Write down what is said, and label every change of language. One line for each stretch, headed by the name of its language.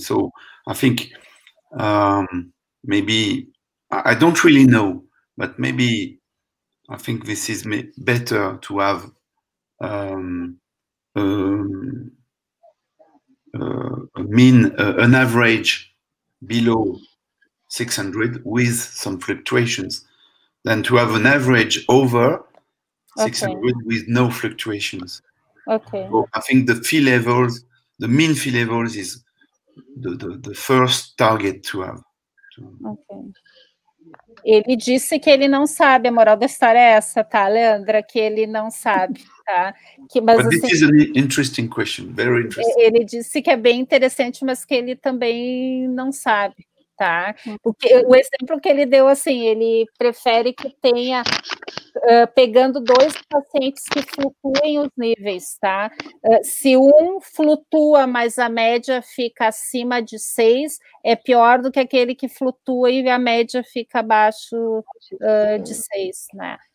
English: So I think maybe, I don't really know, but maybe I think this is better to have an average below 600 with some fluctuations than to have an average over 600 with no fluctuations. Okay. So I think the Phe levels, the mean Phe levels is the first target to have. Okay.
Portuguese: Ele disse que ele não sabe, a moral da história é essa, tá, Leandra? Que ele não sabe, tá? Mas
English: this is an interesting question, very interesting.
Portuguese: Ele disse que é bem interessante, mas que ele também não sabe. Tá? O exemplo que ele deu, assim, ele prefere que tenha, pegando dois pacientes que flutuem os níveis, tá? Se um flutua, mas a média fica acima de 6, é pior do que aquele que flutua e a média fica abaixo de 6, né?